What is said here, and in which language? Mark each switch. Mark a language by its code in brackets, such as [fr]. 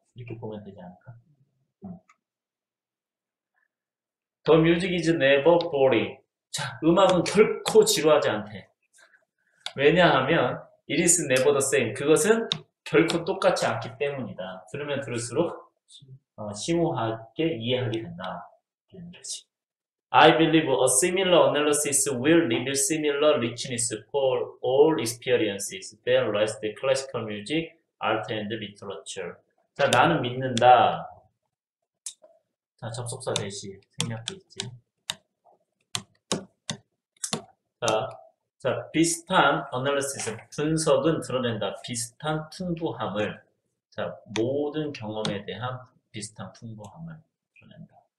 [ko] 이렇게 보면 되지 [en] The music is never boring. [ko] 자, 음악은 결코 지루하지 않대. 왜냐하면 [en] It is never the same. [ko] 그것은 결코 똑같지 않기 때문이다. 들으면 들을수록 심오하게 이해하게 된다. 이런 거지. [en] I believe a similar analysis will reveal similar richness for all experiences than rest classical music, art and literature. [ko] 자, 나는 믿는다. 자, 접속사 대시 생략돼 있지. 자, 비슷한 analysis, 분석은 드러낸다. 비슷한 풍부함을. 자, 모든 경험에 대한 비슷한 풍부함을 드러낸다.